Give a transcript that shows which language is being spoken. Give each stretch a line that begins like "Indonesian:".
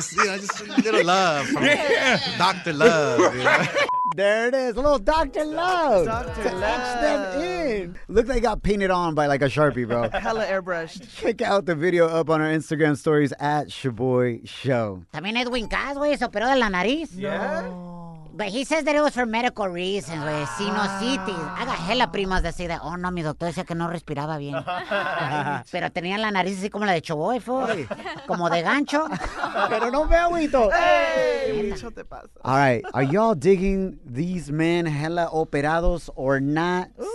English: Just a little love from Dr. Love. You know? There it is. A little Dr. Love. Dr. Love. Etch them in. Looks like I got painted on by like a Sharpie, bro. Hella airbrushed. Check out the video up on our Instagram stories at Shaboy Show.
Spanish: También Edwin Casway se operó de la nariz.
English: Yeah. But he says that it was for medical reasons, güey.
Spanish: Sinusitis. Haga hella primas de así de, oh, no, mi doctor decía que no respiraba bien. Pero tenía la nariz así como la de Shaboy, fue. Como de gancho. Pero no me agüito. ¡Ey! Mucho te pasa.
English: All right. Are y'all digging these men hella
Spanish: operados
English: or not? Ooh.